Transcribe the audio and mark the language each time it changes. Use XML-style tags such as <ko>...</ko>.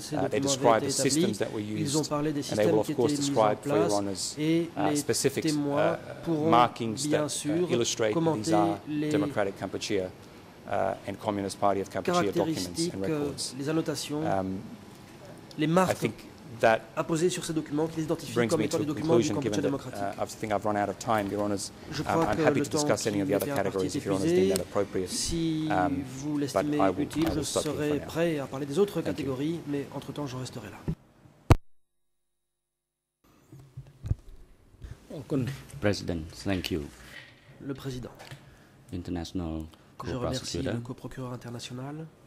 <en>They describe the systems that were used, and they will of course describe for Your Honours specific markings that illustrate that these are Democratic Cambodia and Communist Party of Cambodia documents and records.</en> <fr>Les annotations, les marques.</fr> <en>I think that</en> <fr>a posé sur ces documents qui les identifient comme étant les documents du Cambodge démocratique.</fr> <en>I think I've run out of time, Your Honours. I'm happy to discuss any of the other categories if Your Honours deem that appropriate.</en> <fr>Si vous l'estimez utile, je serai prêt à parler des autres catégories, mais entre-temps, je resterai là.</fr> <en>President, thank you.</en> <fr>Le président.</fr> <en>International</en> <fr>Je remercie le coprocureur international.</fr>